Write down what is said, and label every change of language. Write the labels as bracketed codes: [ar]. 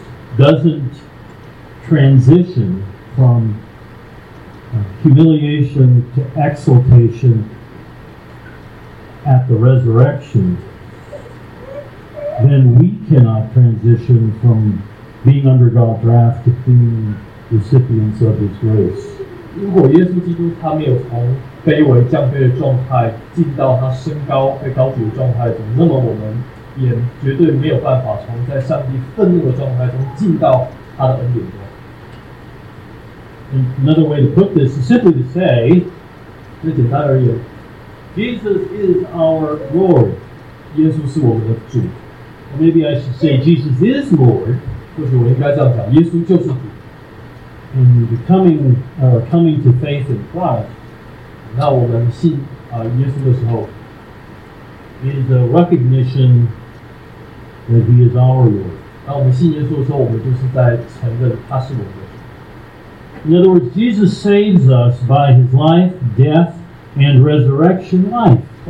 [en] Christ doesn't transition from humiliation to exaltation at the resurrection, then we cannot transition from being under God's wrath to being recipients of His grace. [zh] 如果耶稣基督他没有从卑微降卑的状态进到他升高被高举的状态中，那么我们也绝对没有办法从在上帝愤怒的状态中进到他的恩典中。 [en] Another way to put this is simply to say, [zh] 最简单而言, [en] Jesus is our Lord. [zh] 耶稣是我们的主。 [en] Or maybe I should say Jesus is Lord. [zh] 或许我应该这样讲，耶稣就是主。 [en] And coming to faith in Christ, [zh] 那我们信耶稣的时候, [en] is a recognition that He is our Lord. [zh] 那我们信耶稣的时候，我们就是在承认他是我们的。 [en] In other words, Jesus saves us by His life, death, and resurrection life.